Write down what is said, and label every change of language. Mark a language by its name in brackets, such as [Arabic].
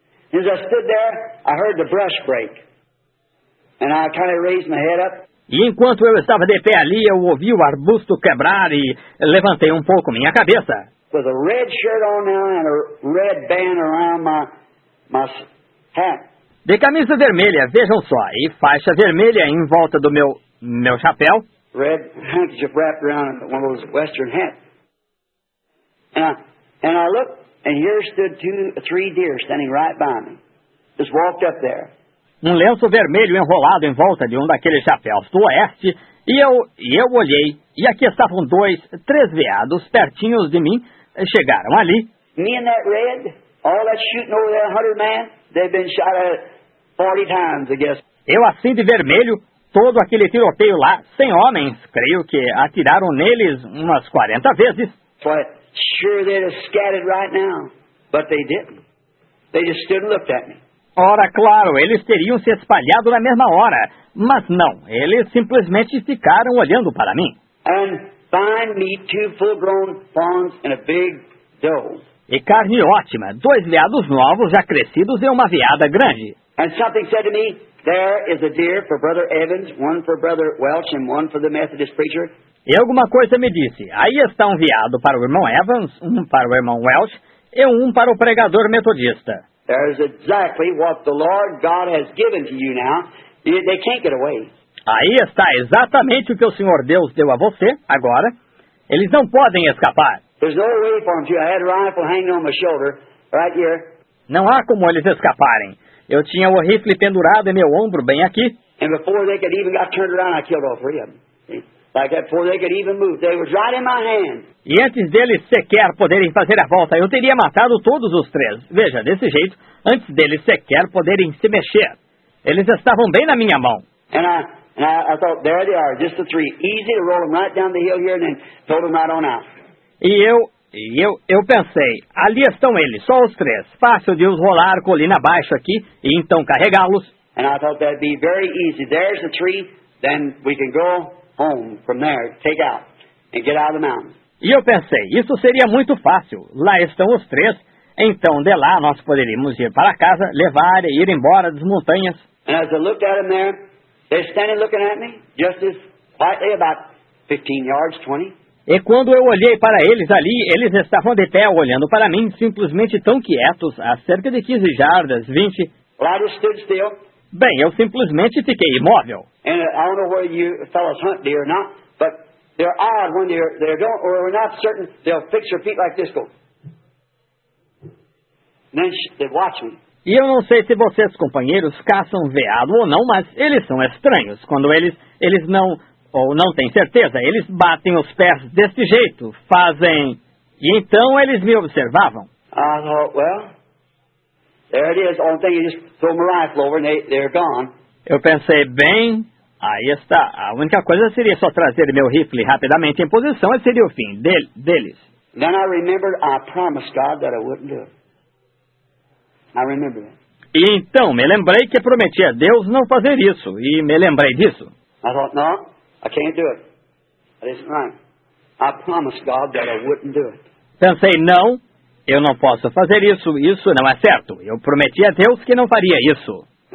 [English] As I stood there, I heard the brush break. And I kind of raised my head up. [Portuguese] E enquanto eu estava de pé ali, eu ouvi o arbusto quebrar e levantei um pouco minha cabeça. [English] With a red shirt on now and a red band around my hat. [Portuguese] De camisa vermelha, vejam só, e faixa vermelha em volta do meu chapéu. [English] Red handkerchief wrapped around one of those western hats. And I looked. And here stood 2 or 3 deer standing right by me. Just walked up there. [Portuguese] um lenço vermelho enrolado em volta de um daqueles chapéus do oeste, e eu olhei, e aqui estavam dois, três veados pertinhos de mim, chegaram ali. [English] Me and that red, all that shooting over there, 100 men, they've been shot at 40 times, I guess. [Portuguese] Eu assim de vermelho, todo aquele tiroteio lá, sem homens, creio que atiraram neles umas 40 vezes. [English] But sure they're scattered right now, but they didn't. They just stood and looked at me. [Portuguese] Ora, claro, eles teriam se espalhado na mesma hora, mas não, eles simplesmente ficaram olhando para mim. [English] And find me two full-grown fawns and a big doe. [Portuguese] E carne ótima, dois veados novos já crescidos e uma veada grande. [English] And something said to me, there is a deer for Brother Evans, one for Brother Welch and one for the Methodist preacher. [Portuguese] E alguma coisa me disse, aí está um veado para o irmão Evans, um para o irmão Welch e um para o pregador metodista. [English] There is exactly what the Lord God has given to you now. They can't get away. [Portuguese] Aí está exatamente o que o Senhor Deus deu a você agora. Eles não podem escapar. [English] There's no way for them to. I had a rifle hanging on my shoulder right here. [Portuguese] Não há como eles escaparem. Eu tinha o rifle pendurado em meu ombro bem aqui. [English] And before they could even got turned around, I killed all three of them. Like that, before they could even move, they were right in my hand. [Portuguese] E antes deles sequer poderem fazer a volta, eu teria matado todos os três. Veja, desse jeito, antes deles sequer poderem se mexer. Eles estavam bem na minha mão. [English] And I thought, there they are, just the three. Easy to roll them right down the hill here and then throw them right on out. [Portuguese] E eu pensei, ali estão eles, só os três. Fácil de os rolar colina abaixo aqui e então carregá-los. [English] And I thought that'd be very easy. There's the three, then we can go home from there, take out, and get out of the mountain. [Portuguese] E eu pensei, isso seria muito fácil. Lá estão os três. Então, de lá, nós poderíamos ir para casa, levar e ir embora das montanhas. [English] And as I looked at them there, they're standing looking at me, just as quietly, about 15 yards, 20. [Portuguese] E quando eu olhei para eles ali, eles estavam de pé olhando para mim, simplesmente tão quietos, a cerca de 15 jardas, 20. [English] Well, I just stood still. [Portuguese] Bem, eu simplesmente fiquei imóvel. [English] And I don't know whether you fellows hunt deer or not, but they're odd when they're don't, or we're not certain, they'll fix your feet like this, go. And then they watch me. [Portuguese] E eu não sei se vocês, companheiros, caçam veado ou não, mas eles são estranhos. Quando eles não, ou não têm certeza, eles batem os pés deste jeito, fazem... E então eles me observavam. [English] I thought, well, there it is. Only thing you just throw my rifle over and they're gone. [Portuguese] Eu pensei, bem, aí está. A única coisa seria só trazer meu rifle rapidamente em posição e seria o fim deles. [English] Then I remembered I promised God that I wouldn't do it. I remember that. [Portuguese] E então, me lembrei que prometi a Deus não fazer isso. E me lembrei disso. [English] I thought, no, I can't do it. That isn't right. I promised God that I wouldn't do it. [Portuguese] Pensei, não. Eu não posso fazer isso, isso não é certo. Eu prometi a Deus que não faria isso.